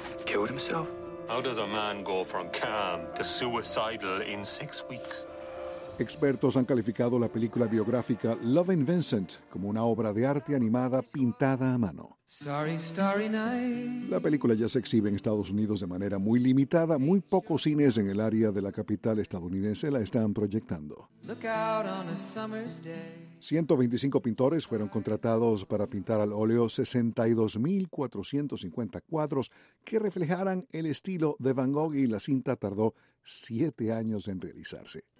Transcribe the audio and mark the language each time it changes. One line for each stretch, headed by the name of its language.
English: How does a man go from calm to suicidal in 6 weeks?
Spanish: Expertos han calificado la película biográfica Loving Vincent como una obra de arte animada pintada a mano.
English: Starry, starry night.
Spanish: La película ya se exhibe en Estados Unidos de manera muy limitada. Muy pocos cines en el área de la capital estadounidense la están proyectando.
English: Look out on a summer's day.
Spanish: 125 pintores fueron contratados para pintar al óleo 62.450 cuadros que reflejaran el estilo de Van Gogh, y la cinta tardó 7 años en realizarse.